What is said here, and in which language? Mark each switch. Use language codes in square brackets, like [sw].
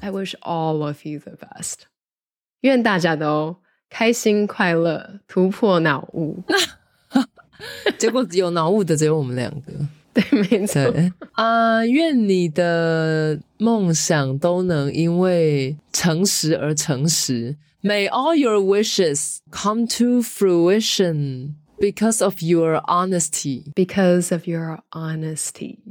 [en] I wish all of you the best. [zh] 愿大家都开心快乐，突破脑雾。结果有脑雾的只有我们两个。对，没错。愿你的梦想都能因为诚实而诚实。 [en] May all your wishes come to fruition. Because of your honesty. Because of your honesty.